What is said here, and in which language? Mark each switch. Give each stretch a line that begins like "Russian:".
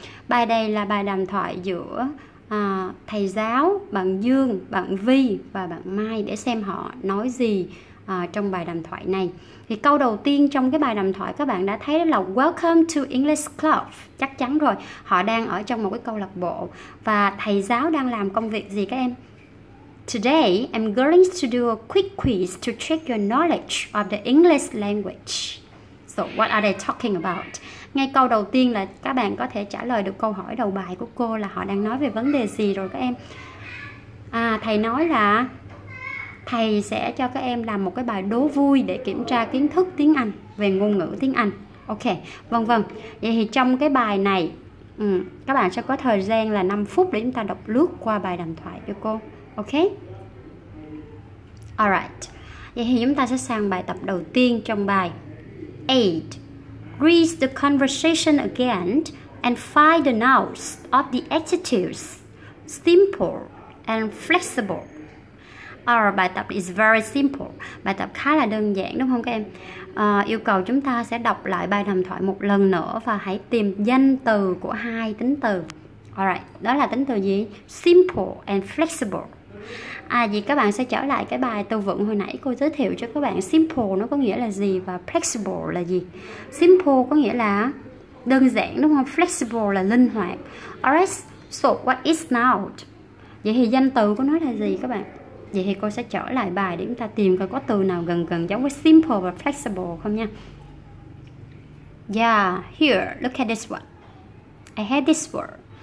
Vietnamese: Bài này là bài đàm thoại giữa thầy giáo, bạn Dương, bạn Vi và bạn Mai để xem họ nói gì trong bài đàm thoại này. Thì câu đầu tiên trong cái bài đàm thoại các bạn đã thấy là
English: Welcome to English Club.
Vietnamese: Chắc chắn rồi, họ đang ở trong một cái câu lạc bộ. Và thầy giáo đang làm công việc gì các em?
English: Today, I'm going to do a quick quiz to check your knowledge of the English language. So, what are they talking about?
Vietnamese: Ngay câu đầu tiên là các bạn có thể trả lời được câu hỏi đầu bài của cô là họ đang nói về vấn đề gì rồi các em. Thầy nói là thầy sẽ cho các em làm một cái bài đố vui để kiểm tra kiến thức tiếng Anh về ngôn ngữ tiếng Anh. Ok, vân vân. Vậy thì trong cái bài này, các bạn sẽ có thời gian là 5 phút để chúng ta đọc lướt qua bài đàm thoại cho cô. Ok. Alright. Vậy thì chúng ta sẽ sang bài tập đầu tiên trong bài 8.
English: Read the conversation again and find the nouns of the adjectives simple and flexible. Our bài tập is very simple.
Vietnamese: Bài tập khá là đơn giản đúng không các em? Yêu cầu chúng ta sẽ đọc lại bài đàm thoại một lần nữa và hãy tìm danh từ của hai tính từ. Alright, đó là tính từ gì? Simple and flexible. Vậy các bạn sẽ trở lại cái bài từ vựng hồi nãy cô giới thiệu cho các bạn. Simple nó có nghĩa là gì và flexible là gì? Simple có nghĩa là đơn giản đúng không? Flexible là linh hoạt.
English: Alright, so what is noun?
Vietnamese: Vậy thì danh từ của nó là gì các bạn? Vậy thì cô sẽ trở lại bài để chúng ta tìm coi có từ nào gần gần giống với simple và flexible không nha.
English: Yeah, here, look at this one. I had this word.